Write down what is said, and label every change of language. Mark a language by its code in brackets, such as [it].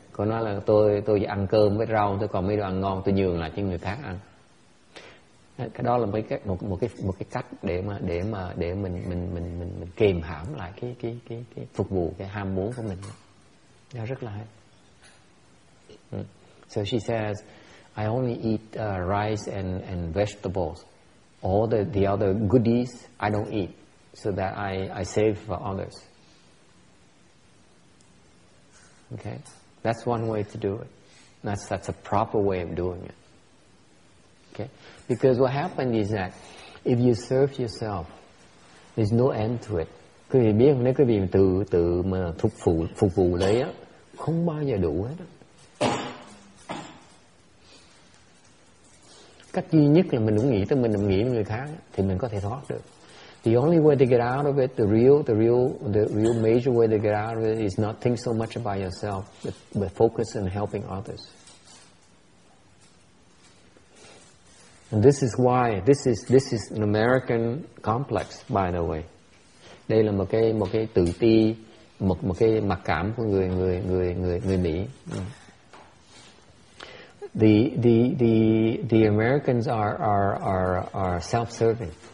[vi] Cô nói là tôi chỉ ăn cơm với rau, tôi còn mấy đồ ăn ngon tôi nhường lại cho người khác ăn. Cái đó là một cái cách để mình kìm hãm lại cái phục vụ, cái ham muốn của mình. Đó rất là hay. [en] So she says, I only eat rice and vegetables. All the other goodies I don't eat, so that I save for others. Okay? That's one way to do it. That's a proper way of doing it. Okay? Because what happened is that if you serve yourself, there's no end to it. [vi] Quý vị biết không, nếu quý vị tự mà phục vụ lấy á, không bao giờ đủ hết. Cách duy nhất là mình cũng nghĩ tới mình, nghĩ người khác thì mình có thể thoát được. [en] The only way to get out of it, the real major way to get out of it is not think so much about yourself, but focus on helping others. And this is why this is an American complex, by the way. [vi] Đây là một cái tự ti, một cái mặc cảm của người Mỹ. [en] The Americans are self-serving.